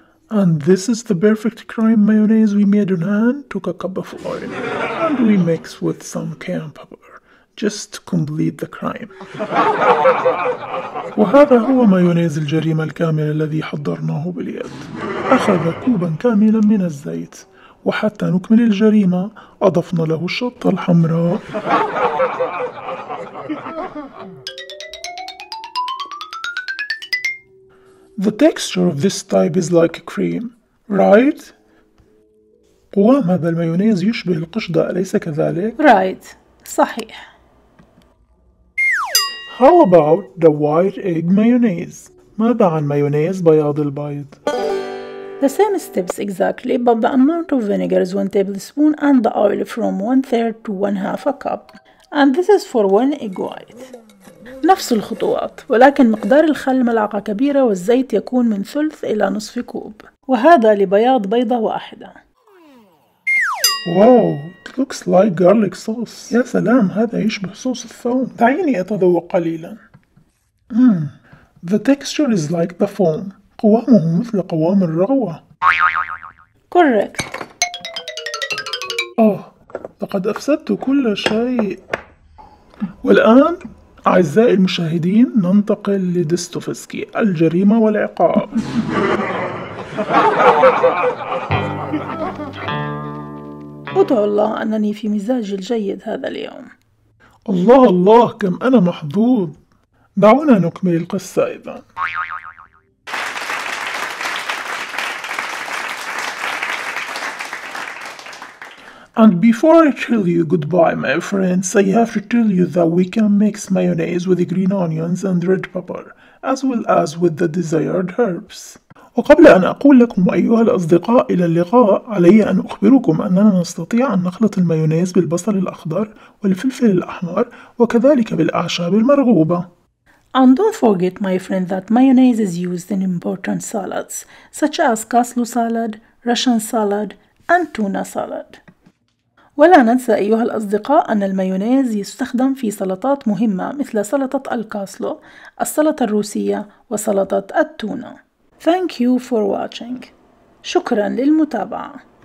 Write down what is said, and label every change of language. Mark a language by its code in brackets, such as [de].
[en] And this is the perfect cream mayonnaise we made on hand. Took a cup of oil and we mix with some cayenne pepper just to complete the cream. [ar] وهذا هو مايونيز الجريمة الكامل الذي حضرناه باليد. أخذ كوبا كاملا من الزيت، وحتى نكمل الجريمة أضفنا له الشطة الحمراء. [en] The texture of this type is like cream, right? [ar] قوام هذا المايونيز يشبه القشدة، أليس كذلك؟ [en] Right. [ar] صحيح. [en] How about the white egg mayonnaise? [ar] ماذا عن مايونيز بياض البيض؟ [en] The same steps exactly, but the amount of vinegar is 1 tablespoon and the oil from 1/3 to 1/2 a cup. And this is for 1 egg white. [ar] نفس الخطوات، ولكن مقدار الخل ملعقة كبيرة والزيت يكون من ثلث إلى نصف كوب، وهذا لبياض بيضة واحدة. واو، [en] it looks like garlic sauce. [ar] يا سلام، هذا يشبه صوص الثوم. دعيني أتذوق قليلا. [en] The texture is like the foam. [ar] قوامه مثل قوام الرغوة. [en] Correct. [ar] أوه، لقد أفسدت كل شيء. والآن أعزائي المشاهدين، ننتقل لدستوفسكي، الجريمة والعقاب. أدعو الله أنني في مزاجي الجيد هذا اليوم. الله الله، كم أنا محظوظ. دعونا نكمل القصة إذن. [en] And before I tell you goodbye, my friends, I have to tell you that we can mix mayonnaise with green onions and red pepper, as well as with the desired herbs. [ar] وقبل أن أقول لكم أيها الأصدقاء إلى اللقاء، علي أن أخبركم أننا نستطيع أن نخلط المايونيز بالبصل الأخضر والفلفل الأحمر وكذلك بالأعشاب المرغوبة. [en] And don't forget, my friend, that mayonnaise is used in important salads, such as kaslu salad, Russian salad, and tuna salad. [ar] ولا ننسى أيها الأصدقاء أن المايونيز يستخدم في سلطات مهمة مثل سلطة الكاسلو، السلطة الروسية وسلطة التونة. [en] Thank you for watching. [ar] شكرا للمتابعة.